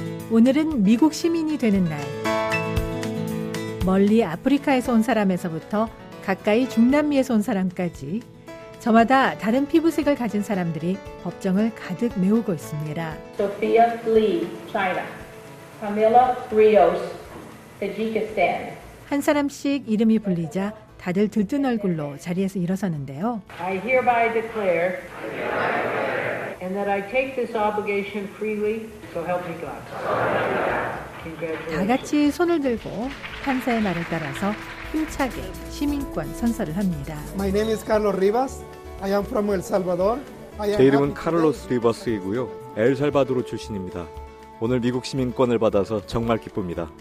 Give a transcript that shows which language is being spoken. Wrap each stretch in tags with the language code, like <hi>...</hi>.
<ko>오늘은 미국 시민이 되는 날. 멀리 아프리카에서 온 사람에서부터 가까이 중남미에서 온 사람까지 저마다 다른 피부색을 가진 사람들이 법정을 가득 메우고 있습니다.</ko> <en>Sophia Lee, China. Camila Rios, Tajikistan.</en> <ko>한 사람씩 이름이 불리자 다들 들뜬 얼굴로 자리에서 일어서는데요.</ko> <en>I hereby declare and that I take this obligation freely, so help me God.</en> <ko>다 같이 손을 들고 판사의 말을 따라서 힘차게 시민권 선서를 합니다.</ko> <en>My name is Carlos Rivas. I am from El Salvador.</en> <ko>제 이름은 카를로스 리버스이고요. 엘살바도르 출신입니다. 오늘 미국 시민권을 받아서 정말 기쁩니다.</ko>